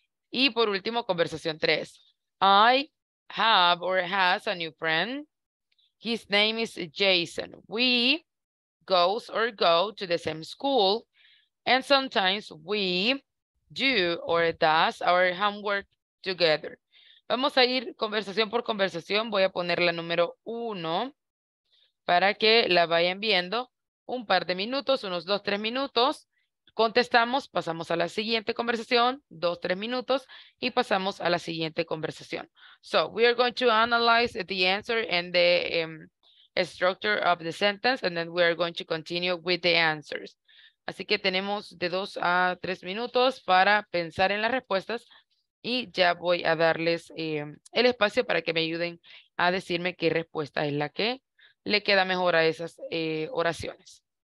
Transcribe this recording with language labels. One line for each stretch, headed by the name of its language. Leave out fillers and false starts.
Spanish: Y por último, conversación 3.
English: I have or has a new friend. His name is Jason. We goes or go to the same school. And sometimes we do or does our homework together.
Spanish: Vamos a ir conversación por conversación. Voy a poner la número 1 para que la vayan viendo. Un par de minutos, unos 2, 3 minutos. Contestamos, pasamos a la siguiente conversación, 2, 3 minutos, y pasamos a la siguiente conversación.
English: So, we are going to analyze the answer and the structure of the sentence, and then we are going to continue with the answers.
Spanish: Así que tenemos de 2 a 3 minutos para pensar en las respuestas. Y ya voy a darles el espacio para que me ayuden a decirme qué respuesta es la que le queda mejor a esas oraciones.